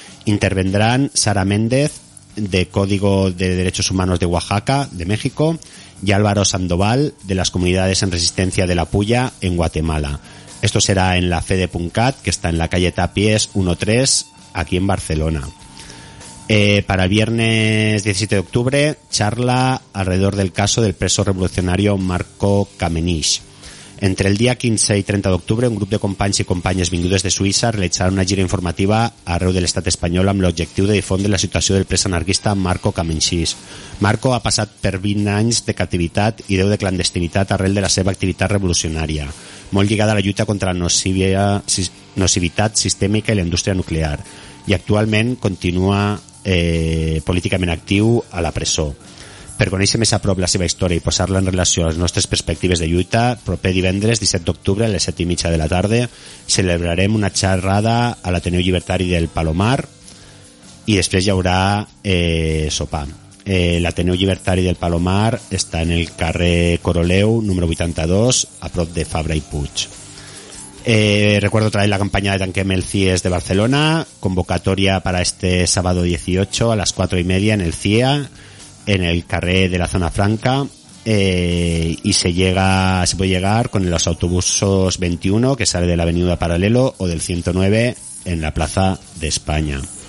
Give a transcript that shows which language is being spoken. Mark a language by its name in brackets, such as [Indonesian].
[Spanish] Intervendrán Sara Méndez, de Código de Derechos Humanos de Oaxaca, de México, y Álvaro Sandoval, de las Comunidades en Resistencia de la Puya, en Guatemala. Esto será en la FEDE.cat, que está en la calle Tapies 13, aquí en Barcelona. Para el viernes 17 de octubre, charla alrededor del caso del preso revolucionario Marco Kamenich. [Catalan] Entre el día 15 y 30 de octubre, un grupo de companys i companyes vingudes de Suïssa realitzarà una gira informativa arreu de l'estat espanyol amb l'objectiu de difondre la situació del pres anarquista Marco Kamenich. Marco ha passat per 20 anys de captivitat i 10 de clandestinitat arrel de la seva activitat revolucionària, molt lligada a la lluita contra la nocivitat sistèmica i la indústria nuclear, i actualment continua políticament actiu a la presó. Per conèixer més a prop la seva història i posar-la en relació a les nostres perspectives de lluita, proper divendres 17 d'octubre a les 7:30 de la tarda celebrarem una xerrada a l'Ateneu Llibertari del Palomar i després hi haurà sopar. L'Ateneu Llibertari del Palomar està en el carrer Coroleu número 82, a prop de Fabra i Puig. [Spanish] Recuerdo otra vez la campaña de Tanquem el CIES de Barcelona, convocatoria para este sábado 18 a las 4 y media en el CIA, en el carré de la Zona Franca, y se puede llegar con los autobuses 21 que sale de la Avenida Paralelo o del 109 en la Plaza de España.